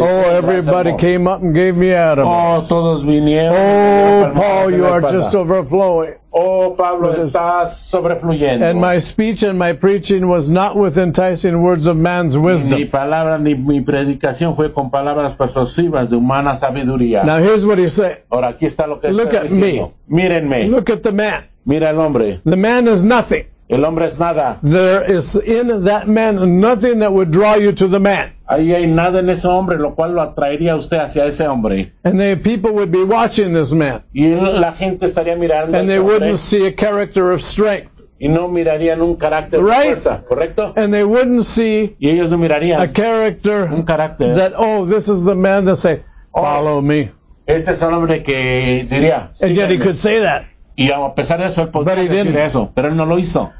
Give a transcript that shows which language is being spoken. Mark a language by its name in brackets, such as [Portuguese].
[English] Oh, everybody came up and gave me Adam. [Spanish] Oh, todos vinieron. [English] Oh, Paul, you are just overflowing. [Spanish] Oh, Pablo, estás sobrefluyendo. [English] And my speech and my preaching was not with enticing words of man's wisdom. [Spanish] Ni palabra ni mi predicación fue con palabras persuasivas de humana sabiduría. [English] Now here's what he said. [Spanish] Ahora aquí está lo que está diciendo. [English] Look at me. [Spanish] Mírenme. [English] Look at the man. [Spanish] Mira el hombre. [English] The man is nothing. [Spanish] El hombre es nada. [English] There is in that man nothing that would draw you to the man. [Spanish] Ahí hay nada en ese hombre, lo cual lo atraería usted hacia ese hombre. [English] And the people would be watching this man. [Spanish] Y la gente estaría mirando. [English] And they wouldn't see a character of strength. [Spanish] Y no mirarían un carácter [English] right? [Spanish] De fuerza, ¿correcto? [English] And they wouldn't see. [Spanish] Y ellos no mirarían [English] a character. [Spanish] Un carácter. [English] That oh, this is the man that say, follow me. [Spanish] Este es el hombre que diría. [English] And yet he could say that. [Spanish] Y a pesar de eso, él podría decir eso, pero él no lo hizo.